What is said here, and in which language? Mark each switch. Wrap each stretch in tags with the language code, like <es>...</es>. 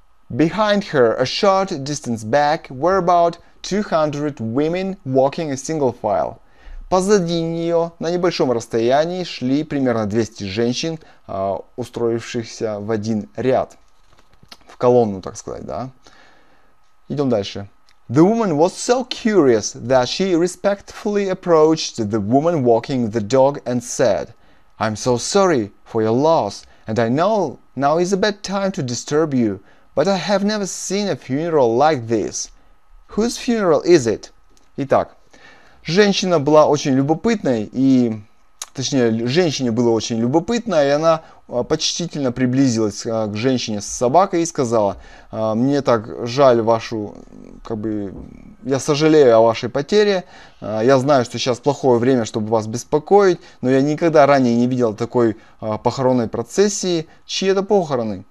<en>Behind her, a short distance back, were about 200 women walking a single file.</en> <ru>Позади нее, на небольшом расстоянии, шли примерно 200 женщин, устроившихся в один ряд. В колонну, так сказать, да? Идем дальше.</ru> <en>The woman was so curious that she respectfully approached the woman walking the dog and said, I'm so sorry for your loss, and I know now is a bad time to disturb you, but I have never seen a funeral like this. Whose funeral is it?</en> <ru>Итак, женщина была очень любопытной, и, точнее, женщине было очень любопытно, и она почтительно приблизилась к женщине с собакой и сказала, мне так жаль вашу, как бы, я сожалею о вашей потере, я знаю, что сейчас плохое время, чтобы вас беспокоить, но я никогда ранее не видел такой похоронной процессии, чьи это похороны.</ru>